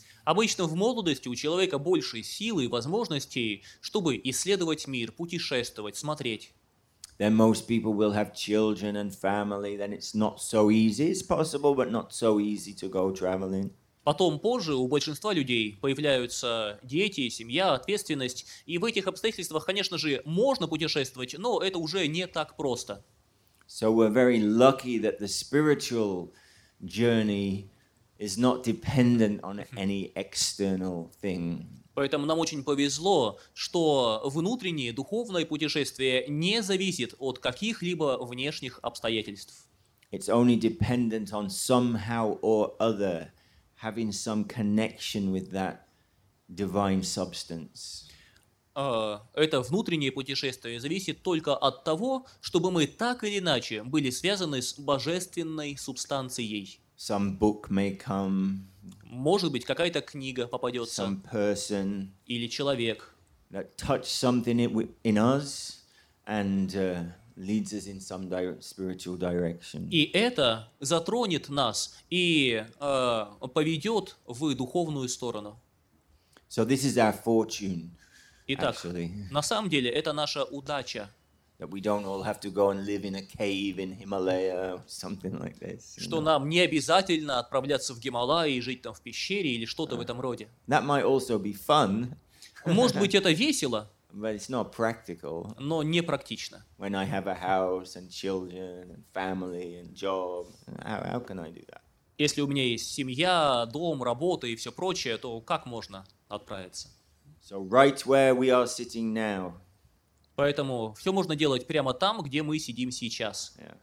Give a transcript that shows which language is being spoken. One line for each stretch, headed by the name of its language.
Russian: Обычно в молодости у человека больше силы и возможностей, чтобы исследовать мир, путешествовать, смотреть.
English: Then most people will have children and family, then it's not so easy. It's possible, but not so easy to go traveling.
Russian: Потом, позже, у большинства людей появляются дети, семья, ответственность. И в этих обстоятельствах, конечно же, можно путешествовать, но это уже не так просто.
English: So we're very lucky that the spiritual journey is not dependent on any external thing.
Russian: Поэтому нам очень повезло, что внутреннее духовное путешествие не зависит от каких-либо внешних обстоятельств.
English: It's only dependent on somehow or other having some connection with that divine substance.
Russian: Это внутреннее путешествие зависит только от того, чтобы мы так или иначе были связаны с божественной субстанцией.
English: Some book may come.
Russian: Может быть, какая-то книга попадется.
English: Some person.
Russian: Или человек.
English: That touched something in us and leads us in some spiritual direction.
Russian: И это затронет нас и поведет в духовную сторону.
English: So this is our fortune,
Russian: Итак,
English: actually.
Russian: На самом деле это наша удача.
English: That we don't all have to go and live in a cave in Himalaya or something like this.
Russian: Что нам не обязательно отправляться в Гималаи и жить там в пещере или что-то в этом роде.
English: That might also be fun.
Russian: Может быть, это весело.
English: But it's not practical.
Russian: Но не практично.
English: When I have a house and children and family and job, how can I do that?
Russian: Если у меня есть семья, дом, работа и все прочее, то как можно отправиться?
English: So right where we are sitting now.
Russian: Поэтому все можно делать прямо там, где мы сидим сейчас.